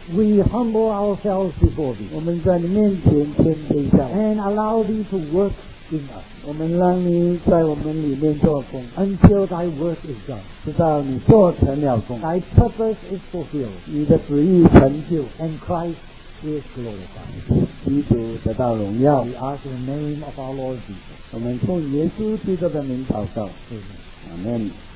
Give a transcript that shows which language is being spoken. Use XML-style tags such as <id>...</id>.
<en>We humble ourselves before thee.</en> <zh>我们在你面前谦卑下。</zh> <en>And allow thee to work in us.</en> <zh>我们让你在我们里面做工</zh> <en>until thy work is done，</en> <zh>直到你做成了工。</zh> <en>Thy purpose is fulfilled，</en> <zh>你的旨意成就。</zh> <en>And Christ is glorified，</en> <zh>基督得到荣耀。</zh> <en>We ask in the name of our Lord Jesus，</en> <zh>我们奉耶稣基督的名祷告。 Amen。</zh>